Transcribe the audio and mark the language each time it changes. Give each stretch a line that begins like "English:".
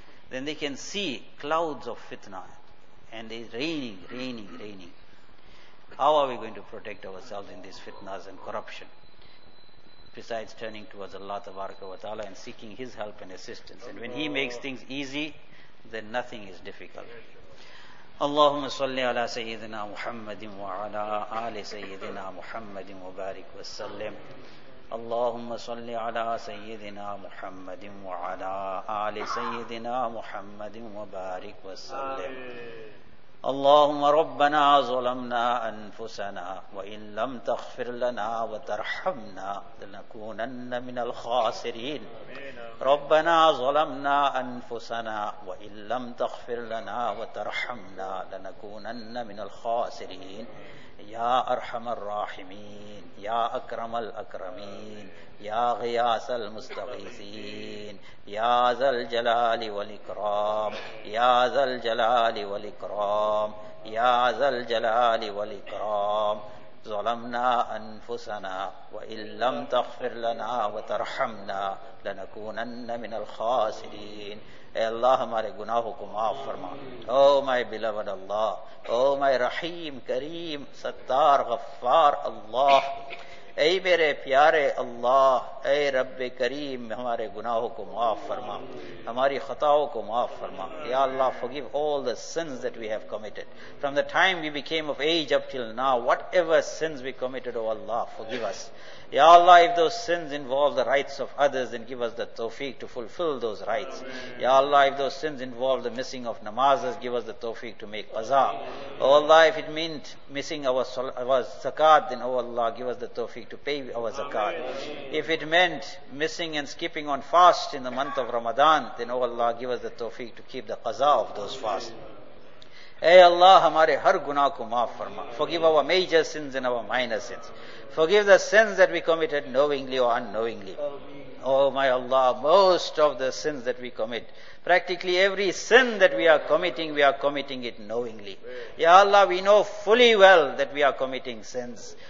English: Then they can see clouds of fitna, and it's raining. How are we going to protect ourselves in these fitnas and corruption? Besides turning towards Allah Tabaraka wa Ta'ala and seeking His help and assistance. And when He makes things easy, then nothing is difficult.
Arabic: اللهم صل على سيدنا محمد وعلى آل سيدنا محمد وبارك وسلم اللهم صل على سيدنا محمد وعلى آل سيدنا محمد وبارك وسلم اللهم ربنا ظلمنا أنفسنا وإن لم تغفر لنا وترحمنا لنكونن من الخاسرين ربنا ظلمنا أنفسنا وإن لم تغفر لنا وترحمنا لنكونن من الخاسرين يا أرحم الراحمين يا أكرم الأكرمين يا غياث المستغيثين يا ذا الجلال والإكرام يا ذا الجلال والإكرام يا ذا الجلال والإكرام ظلمنا أنفسنا وإن لم تغفر لنا وترحمنا لنكونن من الخاسرين
Urdu: اے اللہ ہمارے گناہوں کو معاف فرما.
English: O my beloved
Urdu: اللہ، او مائی رحیم کریم ستار غفار اللہ، اے میرے پیارے اللہ، اے رب کریم ہمارے گناہوں کو معاف فرما، ہماری خطاؤں کو معاف فرما.
English: یا Allah forgive all the sins that we have committed from the time we became of age up till now. Whatever sins we committed, O Allah, forgive us. یا Allah if those sins involve the rights of others, then give us the tawfiq to fulfill those rights. یا Allah if those sins involve the missing of namazes, give us the tawfiq to make qaza. O Allah if it meant missing our zakat, then O Allah give us the tawfiq to pay our zakat. If it meant missing and skipping on fast in the month of Ramadan, then O Allah give us the tawfiq to keep the qaza of those fasts.
Urdu: اے اللہ ہمارے ہر گناہ کو معاف فرما.
English: Forgive our major sins and our minor sins. Forgive the sins that we committed knowingly or unknowingly. Oh my Allah, most of the sins that we commit, practically every sin that we are committing it knowingly. Ya Allah, we know fully well that we are committing sins.